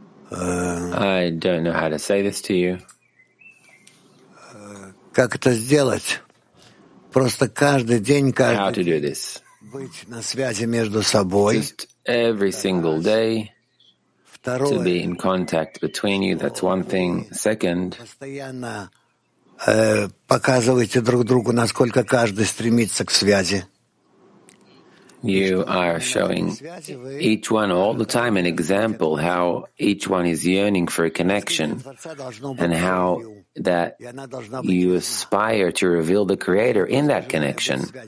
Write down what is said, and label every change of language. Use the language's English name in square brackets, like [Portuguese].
[English] I don't know how to say this to you. [Russian] Как это сделать? Просто каждый день, каждый. [English] How to do this? [Russian] Быть на связи между собой. [English] Just every single day. [Russian] Второе. [English] To be in contact between you. That's one thing. Second. [Russian] Постоянно показывайте друг другу, насколько каждый стремится к связи. [English] You are showing each one all the time an example how each one is yearning for a connection and how that you aspire to reveal the Creator in that connection.